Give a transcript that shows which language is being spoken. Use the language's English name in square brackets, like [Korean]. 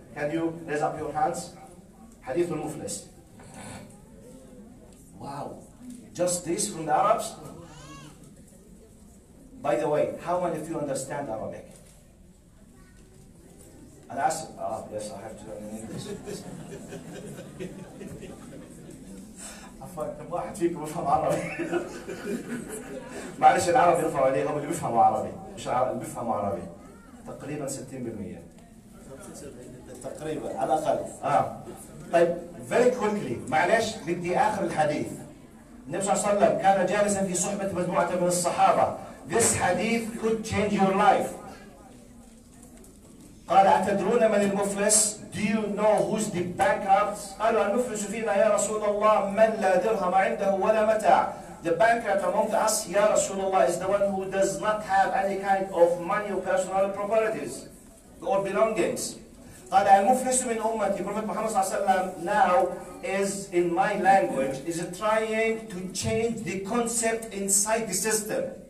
[English] Can you raise up your hands? Hadith al-Muflis. Wow, just this from the Arabs? By the way, how many of you understand Arabic? And ask, yes, I have to learn in English. [Arabic] كم واحد فيكم يفهم عربي؟ معلش العرب يرفعوا عليه هم اللي بيفهموا عربي مش اللي بيفهموا عربي تقريبا 60% تقريبا على الاقل طيب [English] very quickly [Arabic] معلش بدي اخر الحديث النبي صلى الله عليه وسلم كان جالسا في صحبة مجموعة من الصحابة [English] this hadith could change your life [Arabic] قال أتدرون من المفلس؟ [English] Do you know who's the bankrupt? [Arabic] قالوا المفلس فينا يا رسول الله من لا درهم عنده ولا متاع. [English] The bankrupt among us, [Arabic] يا رسول الله, [English] is the one who does not have any kind of money or personal properties or belongings. [Arabic] قال المفلس من أمتي. [English] Prophet Muhammad صلى الله عليه وسلم now is, in my language, is trying to change the concept inside the system.